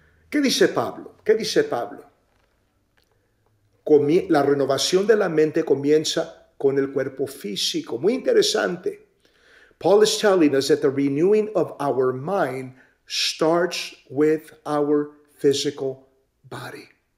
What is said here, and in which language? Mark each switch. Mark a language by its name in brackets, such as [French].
[Spanish] ¿Qué dice Pablo? ¿Qué dice Pablo? La renovación de la mente comienza con el cuerpo físico. Muy interesante. [English] Paul is telling us that the renewing of our mind starts with our physical body.